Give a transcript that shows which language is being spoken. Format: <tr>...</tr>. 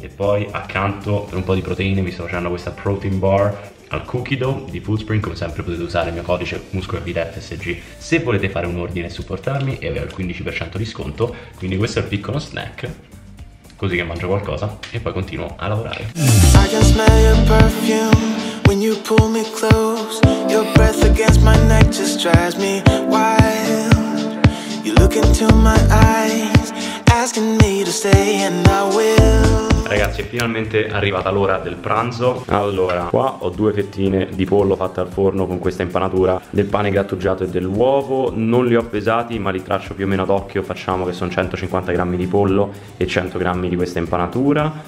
<it>E poi accanto, per un po' di proteine, mi sto facendo questa protein bar al cookie dough di Foodspring. Come sempre potete usare il mio codice MuscoLVDFSG se volete fare un ordine e supportarmi e avere il 15% di sconto. Quindi questo è il piccolo snack, così che mangio qualcosa e poi continuo a lavorare.</it> <en>I can smell your perfume when you pull me close. Your breath against my neck just drives me wild. You look into my eyes asking me to stay and I will.</en> <it>Ragazzi, è finalmente arrivata l'ora del pranzo. Allora, qua ho due fettine di pollo fatte al forno con questa impanatura, del pane grattugiato e dell'uovo. Non li ho pesati, ma li traccio più o meno ad occhio. Facciamo che sono 150 grammi di pollo e 100 grammi di questa impanatura.</it>